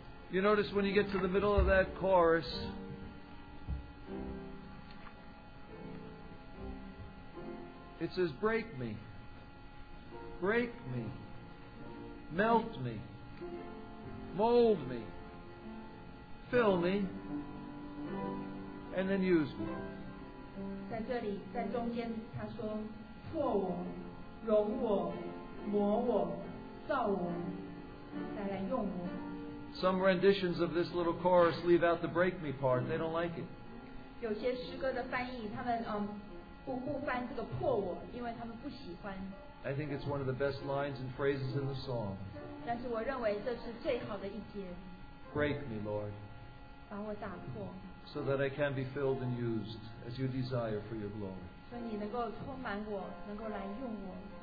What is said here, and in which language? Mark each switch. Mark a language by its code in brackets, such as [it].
[en] You notice when you get to the middle of that chorus, it says, break me, break me, melt me, mold me, fill me, and then use me. [zh] 在这里，在中间，他说，破我，容我。磨我，造我，再来用我。 [en] Some renditions of this little chorus leave out the break me part. They don't like it. [zh] 有些诗歌的翻译，他们 不翻这个破我，因为他们不喜欢。 [en] I think it's one of the best lines and phrases in the song. [zh] 但是我认为这是最好的一节。 [en] Break me, Lord. [zh] 把我打破。 [en] So that I can be filled and used as you desire for your glory. [zh] 所以你能够充满我，能够来用我。